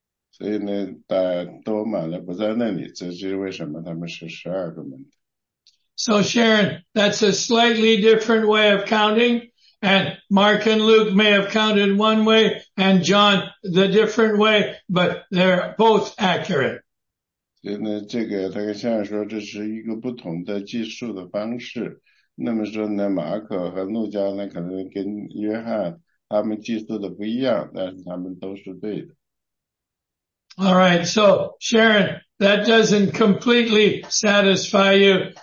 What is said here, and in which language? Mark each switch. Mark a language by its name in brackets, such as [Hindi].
[Chinese] 所以呢，都满了不在那里，这就是为什么他们是12个门徒。 [English] So Sharon, that's a slightly different way of counting, and Mark and Luke may have counted one way, and John the different way, but they're both accurate. [Chinese] 所以呢，这个他跟现在说这是一个不同的计数的方式。那么说呢，马可和路加呢，可能跟约翰他们计数的不一样，但是他们都是对的。 [English] All right, so Sharon, that doesn't completely satisfy you.